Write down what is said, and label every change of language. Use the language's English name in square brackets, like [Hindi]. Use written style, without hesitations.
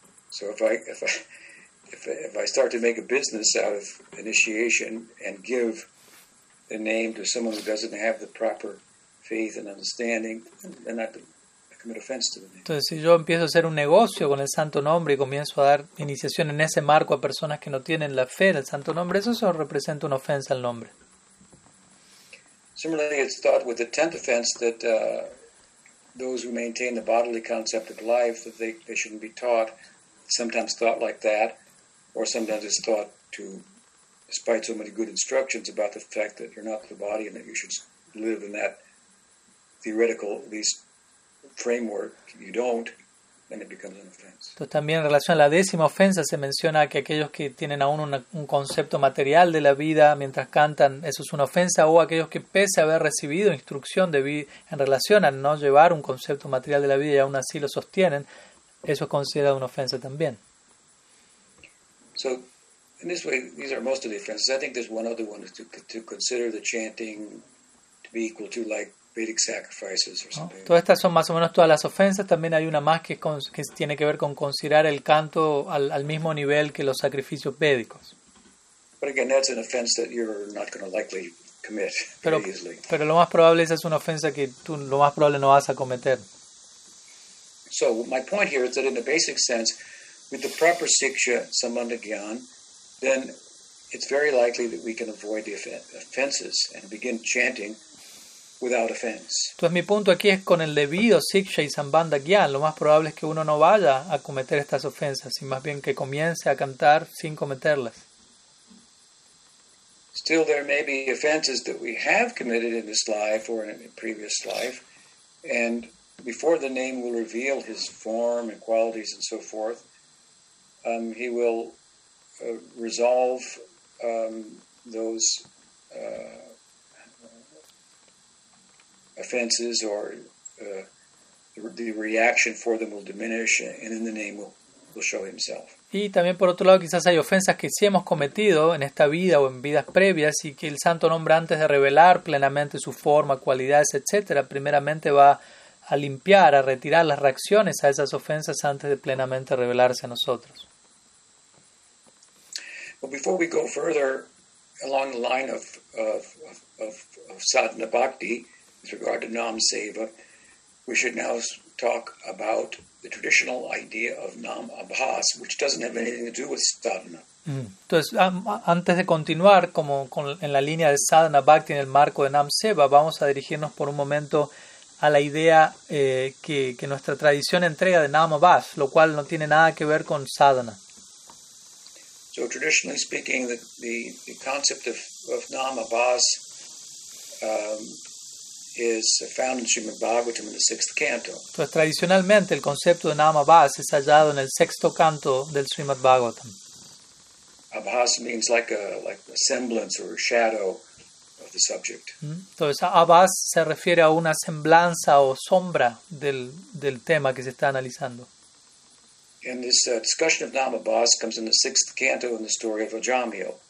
[English] So if I start to make a business out of initiation and give the name to someone who doesn't have the proper faith and understanding, then I commit offense to the name. [Spanish] Entonces, si yo empiezo a hacer un negocio con el santo nombre y comienzo a dar iniciación en ese marco a personas que no tienen la fe en el santo nombre, eso solo representa una ofensa al nombre. [English] Similarly, it's thought with the tenth offense that those who maintain the bodily concept of life, that they shouldn't be taught. Sometimes thought like that, or sometimes it's thought to, despite so many good instructions about the fact that you're not the body and that you should live in that theoretical, at least, framework, you don't, then it becomes an offense. [Spanish] Entonces también en relación a la décima ofensa se menciona que aquellos que tienen aún un concepto material de la vida mientras cantan, eso es una ofensa, o aquellos que pese a haber recibido instrucción de vida en relación a no llevar un concepto material de la vida y aún así lo sostienen, eso es considerado una ofensa también. [English] So, in this way, these are most of the offenses. I think there's one other one to consider the chanting to be equal to like Vedic sacrifices or something. [Spanish] No, todas estas son más o menos todas las ofensas. También hay una más que tiene que ver con considerar el canto al mismo nivel que los sacrificios védicos. [English] But again, that's an offense that you're not going to likely commit very easily. [Spanish] Pero lo más probable es una ofensa que tú lo más probable no vas a cometer. [English] So my point here is that in the basic sense, with the proper siksha sambandha gyan, then it's very likely that we can avoid the offenses and begin chanting without offense. [Spanish] Entonces mi punto aquí es con el debido siksha y sambandha gyan, lo más probable es que uno no vaya a cometer estas ofensas, sino más bien que comience a cantar sin cometerlas. [English] Still, there may be offenses that we have committed in this life or in a previous life, and before the name will reveal his form and qualities and so forth, he will resolve those offenses, or the reaction for them will diminish, and then the name will show himself. [Spanish] Y también por otro lado quizás hay ofensas que sí hemos cometido en esta vida o en vidas previas y que el santo nombre antes de revelar plenamente su forma, cualidades, etcétera, primeramente va a limpiar, a retirar las reacciones a esas ofensas antes de plenamente revelarse a nosotros. [English] Well, before we go further along the line of sadhana bhakti with regard to nam seva, we should now talk about the traditional idea of namabhas, which doesn't have anything to do with sadhana. [Spanish] Entonces, antes de continuar como en la línea de sadhana bhakti en el marco de nam seva, vamos a dirigirnos por un momento a la idea que nuestra tradición entrega de namabhas, lo cual no tiene nada que ver con sadhana. [English] So traditionally speaking, the concept of namabhas is found in Srimad Bhagavatam in the sixth canto. [Spanish] Entonces, tradicionalmente el concepto de namabhas es hallado en el sexto canto del Srimad Bhagavatam. [English] Abhas means like a semblance or a shadow. The subject. [Spanish] Entonces, abhas se refiere a una semblanza o sombra del tema que se está analizando. [English] And this discussion of namabhas comes in the sixth canto in the story of Ajamiyo.